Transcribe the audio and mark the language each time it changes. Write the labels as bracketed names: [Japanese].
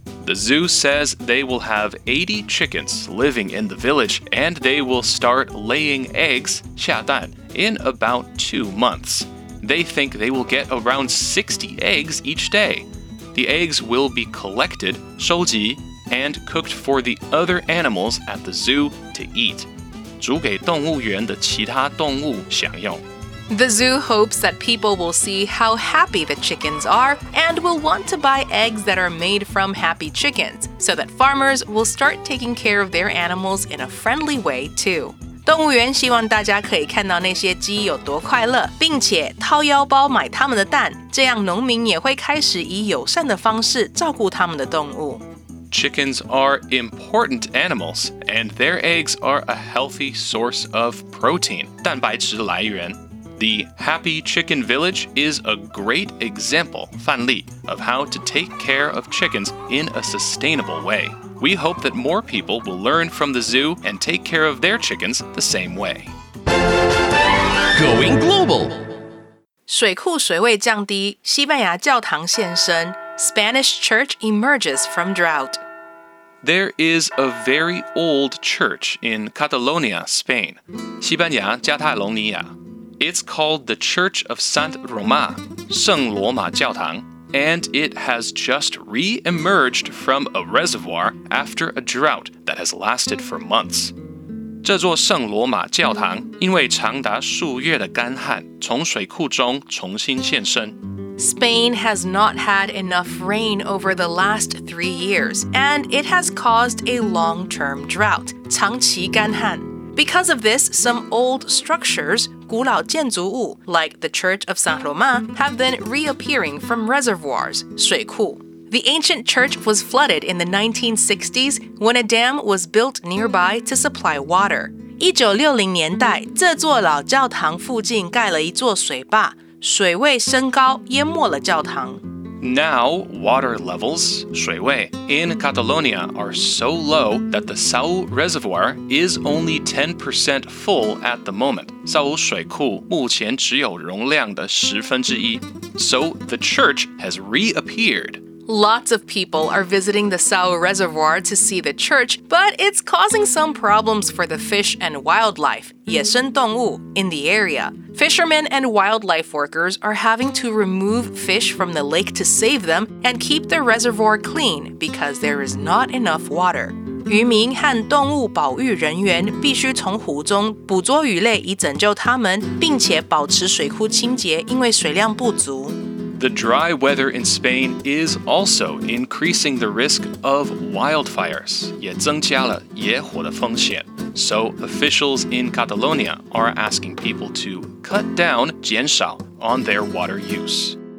[English] The zoo says they will have 80 chickens living in the village and they will start laying eggs, [Chinese] 下蛋, [English] in about 2 months. They think they will get around 60 eggs each day. The eggs will be collected, [Chinese] 收集, [English] and cooked for the other animals at the zoo to eat. [Chinese] 煮給動物園的其他動物享用。 [English] The zoo hopes that people will see how happy the chickens are and will want to buy eggs that are made from happy chickens, so that farmers will start taking care of their animals in a friendly way, too. [Chinese] 動物園希望大家可以看到那些雞有多快樂,並且掏腰包買牠們的蛋,這樣農民也會開始以友善的方式照顧牠們的動物。 [English] Chickens are important animals, and their eggs are a healthy source of protein, [Chinese] 蛋白質來源。 [English] The Happy Chicken Village is a great example, [Chinese] 范例, [English] of how to take care of chickens in a sustainable way. We hope that more people will learn from the zoo and take care of their chickens the same way. Going Global! [Chinese] 水庫水位降低,西班牙教堂現身, [English] Spanish church emerges from drought. There is a very old church in Catalonia, Spain. [Chinese] 西班牙加泰隆尼亚。 [English] It's called the Church of Sant Rom, [Chinese] 聖羅馬教堂, [English] and it has just re-emerged from a reservoir after a drought that has lasted for months. [Chinese] 这座聖羅馬教堂因為長達數月的乾旱,從水庫中重新現身。 [English] Spain has not had enough rain over the last 3 years, and it has caused a long-term drought, [Chinese] 長期乾旱。 [English] Because of this, some old structures, [Chinese] 古老建築物, [English] like the Church of Sant Rom, have been reappearing from reservoirs, [Chinese] 水庫. [English] The ancient church was flooded in the 1960s when a dam was built nearby to supply water. [Chinese] 1960年代,這座老教堂附近蓋了一座水壩,水位升高,淹沒了教堂。 [English] Now, water levels, [Chinese] 水位, [English] in Catalonia are so low that the Sau Reservoir is only 10% full at the moment. [Chinese] Sau 水庫目前只有容量的十分之一。 [English] So, the church has reappeared. Lots of people are visiting the Sau Reservoir to see the church, but it's causing some problems for the fish and wildlife, [Chinese] 野生動物, [English] in the area. Fishermen and wildlife workers are having to remove fish from the lake to save them and keep the reservoir clean because there is not enough water. [Chinese] 漁民和動物保育人員必須從湖中捕捉魚類以拯救它們,並且保持水庫清潔因為水量不足。 [English] The dry weather in Spain is also increasing the risk of wildfires, [Chinese] 也增加了野火的风险。 [English] So officials in Catalonia are asking people to cut down, [Chinese] 减少, [English] on their water use.